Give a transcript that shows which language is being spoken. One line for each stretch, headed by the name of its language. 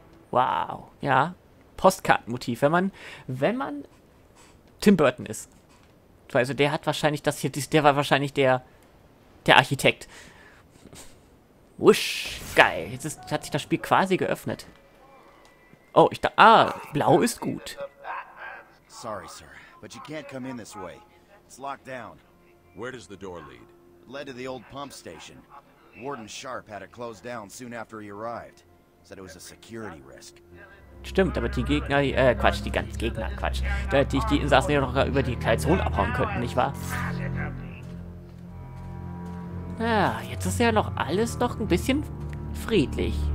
German: Wow. Ja. Postkartenmotiv. Wenn man Tim Burton ist. Also der hat wahrscheinlich das hier. Der war wahrscheinlich der Architekt. Wusch. Geil. Jetzt hat sich das Spiel quasi geöffnet. Oh, ich dachte, blau ist gut.
English: Sorry, Sir, but you can't come in this way. It's locked down. Where does the door lead? It led to the old pump station. Warden Sharp had it closed down soon after he arrived. Said it was a security risk.
German: Stimmt, aber die Gegner, Quatsch, die ganzen Gegner, Quatsch. Da hätte ich die Insassen ja noch über die Kreuzung abhauen könnten, nicht wahr? Ja, jetzt ist ja noch alles noch ein bisschen friedlich.